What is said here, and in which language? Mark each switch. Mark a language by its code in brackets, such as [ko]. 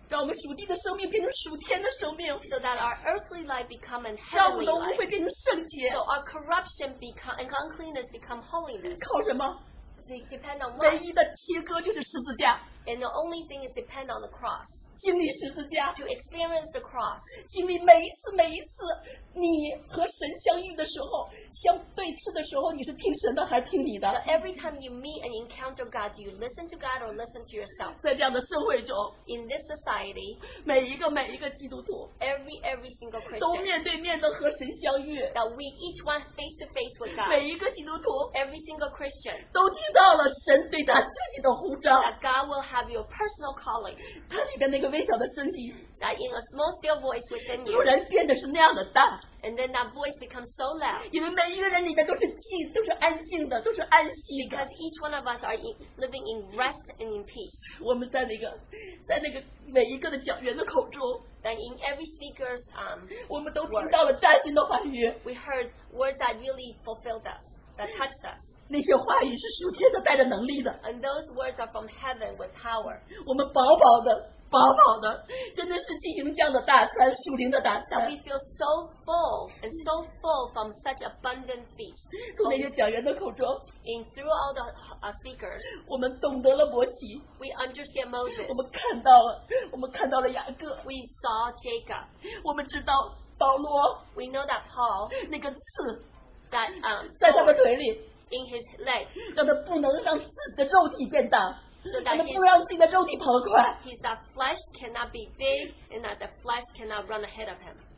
[zh] 让我们属地的生命变成属天的生命. [en] So that our earthly life become a heavenly life. [zh] 让我们的污秽变成圣洁. [en] So our corruption become, and uncleanness become holiness. [zh] 靠什么? [en] Depend on what? [zh] 唯一的切割就是十字架. [en] And the only thing is depend on the cross. [zh] 经历十字架, [en] to experience the cross. [zh] 经历每一次你和神相遇的时候, 相对次的时候, 你是听神的还是听你的? [en] So every time you meet and encounter God, do you listen to God or listen to yourself? [zh] 在这样的社会中, [en] in this society, [zh] 每一个基督徒, [en] every single Christian, [zh] 都面对面的和神相遇, [en] that we each one face to face with God, [zh] 每一个基督徒, [en] every single Christian, [zh] 都听到了神对他自己的呼召, [en] that God will have your personal calling. [zh] 他里边那个 [en] that in a small still voice within you, [zh] 突然变得是那样的淡, [en] and then that voice becomes so loud. [zh] 因为每一个人里面都是静,都是安静的,都是安息的, [en] because each one of us are living in rest and in peace. [zh] 我们在那个每一个的讲员的口中, [en] that in every speaker's word, we heard words that really fulfilled us, that touched us. [zh] 那些话语是属天的,带着能力的, [en] and those words are from heaven with power. [zh] 我们饱饱的, 饱饱的, 真的是进行这样的大餐, [en] that we feel so full and so full from such abundant feast. [zh] 从那些讲员的口中, [en] in through all the speakers, [zh] 我们懂得了摩西, [en] we understand Moses. [zh] 我们看到了雅各, [en] we saw Jacob. [zh] 我们知道保罗, [en] we know that Paul, [zh] 那个刺, [en] that, [zh] 在他的腿里, [en] in his leg, [zh] 让他不能让自己的肉体变大, [en] so that his that flesh cannot be big and that the flesh cannot run ahead of him.